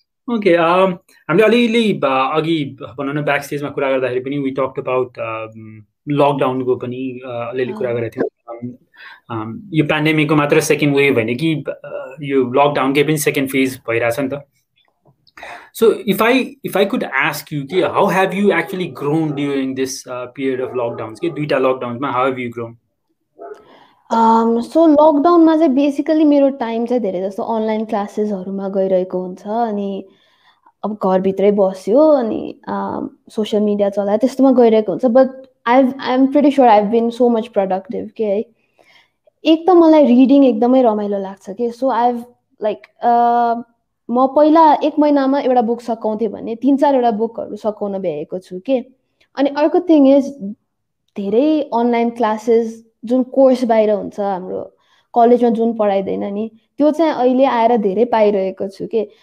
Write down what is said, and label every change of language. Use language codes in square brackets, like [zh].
[ne] Okay, हामीले अलिअलि अघि भनौँ न ब्याक स्टेजमा कुरा गर्दाखेरि पनि [en] we talked about [ne] लकडाउनको पनि अलिअलि कुरा गरेको थियौँ. यो पेन्डेमिकको मात्र सेकेन्ड वेभ होइन कि, यो लकडाउनकै पनि सेकेन्ड फेज भइरहेछ नि त. [en] So if I could ask you, okay, how have you actually grown during this period of lockdowns? Okay, [ne] duita lockdowns ma, [en] how have you grown? [ne] So लकडाउनमा चाहिँ बेसिकली मेरो टाइम चाहिँ धेरै जस्तो अनलाइन क्लासेसहरूमा गइरहेको हुन्छ, अनि अब घरभित्रै बस्यो अनि सोसियल मिडिया चलायो त्यस्तोमा गइरहेको हुन्छ. [en] But I'm pretty sure I have been so much productive कि है. [ne] एक त मलाई रिडिङ एकदमै रमाइलो लाग्छ कि. [en] so I have like [ne] म पहिला एक महिनामा एउटा बुक सकाउँथेँ भने 3-4 वटा बुकहरू सकाउन भ्याएको छु कि. अनि अर्को थिङ इज धेरै अनलाइन क्लासेस जुन कोर्स बाहिर हुन्छ हाम्रो कलेजमा जुन पढाइँदैन नि, त्यो चाहिँ अहिले आएर धेरै पाइरहेको छु कि.